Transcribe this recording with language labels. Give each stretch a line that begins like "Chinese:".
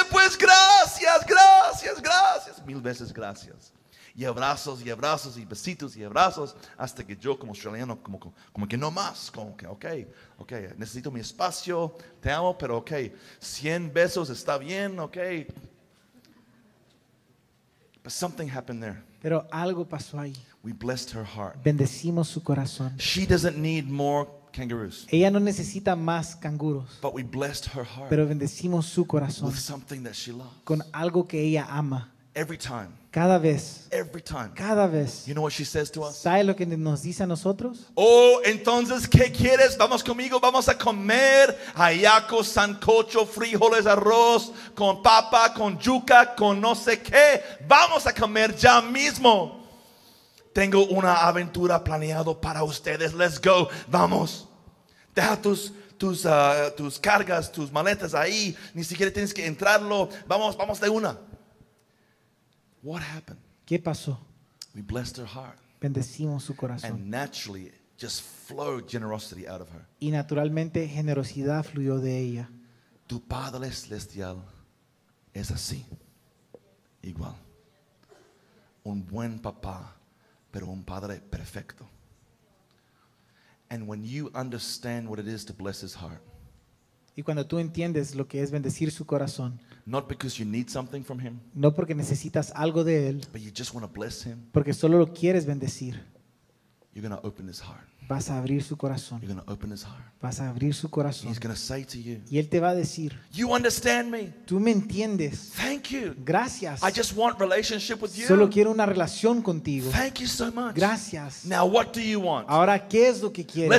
Spanish: ¡Pues gracias, gracias, gracias! Mil veces gracias. Y abrazos, y abrazos, y besitos, y abrazos, hasta que yo como australiano, como que no más, como que ok, ok, necesito mi espacio, te amo, pero ok, 100 besos está bien, ok.
English: But something happened there.
Spanish: Pero algo pasó ahí.
English: We blessed her heart.
Spanish: Bendecimos su corazón.
English: She doesn't need more kangaroos.
Spanish: Ella no necesita más canguros.
English: But we blessed her heart.
Spanish: Pero bendecimos su corazón.
English: With something that she loves.
Spanish: Con algo que ella ama.
English: Every time.
Spanish: Cada vez.
English: Every time.
Spanish: Cada vez.
English: You know what she says to us?
Spanish: ¿Sabe lo que nos dice a nosotros? Oh, entonces, ¿qué quieres? Vamos conmigo, vamos a comer ayaco, sancocho, frijoles, arroz, con papa, con yuca, con no sé qué. Vamos a comer ya mismo. Tengo una aventura planeada para ustedes.
English: Let's go.
Spanish: Vamos. Deja tus cargas, tus maletas ahí. Ni siquiera tienes que entrarlo. Vamos, vamos de una.
English: What happened?
Spanish: ¿Qué pasó?
English: We blessed her heart.
Spanish: Bendecimos su corazón.
English: And naturally, just flowed generosity out of her.
Spanish: Y naturalmente, generosidad fluyó de ella. Tu Padre Celestial es así. Igual. Un buen papá, pero un padre perfecto.
English: And when you understand what it is to bless his heart.
Spanish: Y cuando tú entiendes lo que es bendecir su corazón.
English: Not because you need something from him.
Spanish: No porque necesitas algo de él.
English: But you just want to bless him.
Spanish: Porque solo lo quieres bendecir.
English: You're going to open his heart.
Spanish: Vas a abrir su corazón.
English: You're going to open his heart.
Spanish: Vas a abrir su corazón.
English: He's going to say to you.
Spanish: Y él te va a decir.
English: You understand me.
Spanish: Tú me entiendes.
English: Thank you.
Spanish: Gracias.
English: I just want relationship with you.
Spanish: Solo quiero una relación contigo.
English: Thank you so much.
Spanish: Gracias.
English: Now what do you want?
Spanish: Ahora, ¿qué es lo que quieres?